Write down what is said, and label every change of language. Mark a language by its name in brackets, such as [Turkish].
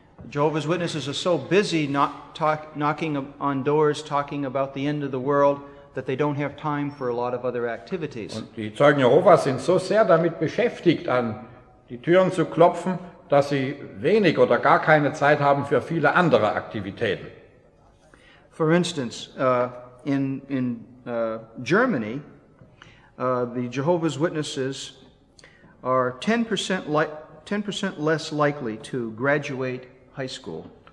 [English] Jehovah's Witnesses are so busy knocking on doors, talking about the end of the world, that they don't have time for a lot of other activities. [German] Und die Zeugen Jehovas sind so sehr damit beschäftigt, an die Türen zu klopfen, dass sie wenig oder gar keine Zeit haben für viele andere Aktivitäten. [English] For instance, in Germany, the Jehovah's Witnesses are 10% less likely to graduate high school.